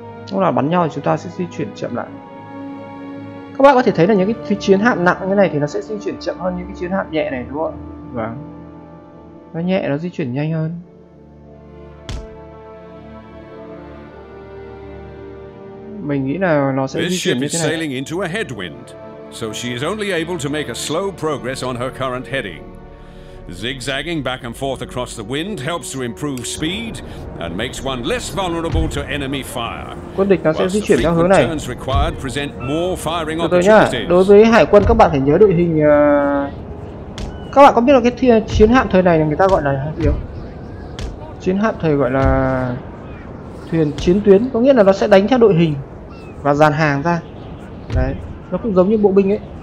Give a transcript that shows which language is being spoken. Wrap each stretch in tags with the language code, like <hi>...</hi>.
<vi>Lúc nào bắn nhau thì chúng ta sẽ di chuyển chậm lại. Các bạn có thể thấy là những cái chiến hạm nặng như này thì nó sẽ di chuyển chậm hơn những cái chiến hạm nhẹ này, đúng không? Vâng. Nó nhẹ nó di chuyển nhanh hơn. Mình nghĩ là nó sẽ di chuyển như thế này.</vi> <en>So she is only able to make a slow progress on her current heading. Zigzagging back and forth across the wind helps to improve speed and makes one less vulnerable to enemy fire.</en> <vi>Quân địch nó sẽ di chuyển theo hướng này.</vi> <en>Turns required present more firing opportunities.</en> <vi>Đối với hải quân các bạn phải nhớ đội hình. Các bạn có biết là cái chiến hạm thời này người ta gọi là gì không? Chiến hạm thời gọi là thuyền chiến tuyến, có nghĩa là nó sẽ đánh theo đội hình và dàn hàng ra. Đấy. Nó cũng giống như bộ binh ấy.</vi>